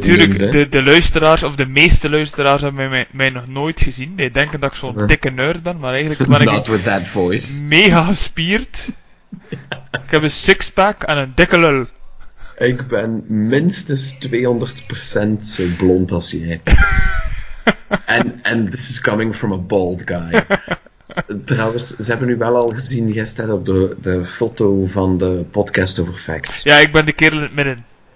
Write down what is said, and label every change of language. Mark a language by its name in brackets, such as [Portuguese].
[Dutch] tuurlijk eens, de luisteraars, of de meeste luisteraars, hebben mij nog nooit gezien. Die denken dat ik zo'n dikke nerd ben, maar eigenlijk ben [English] not [Dutch] ik [English] with that voice. [Dutch] Mega gespierd. Ik heb een sixpack en een dikke lul. Ik ben minstens 200% zo blond als jij. [English] And this is coming from a bald guy. [Dutch] Trouwens, ze hebben nu wel al gezien gisteren op de foto van de podcast over facts. Ja, ik ben de kerel in het midden.